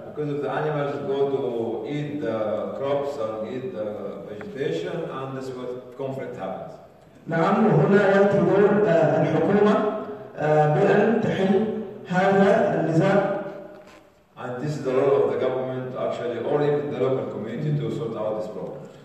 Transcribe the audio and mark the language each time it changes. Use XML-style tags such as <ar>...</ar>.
<en>Because if the animals go to eat the crops and eat the vegetation, and this is what conflict happens.</en> <ar>نعم، وهنا يأتي دور الحكومة بأن تحل هذا النزاع.</ar> <en>And this is the role of the government actually, or even the local community to sort out this problem.</en>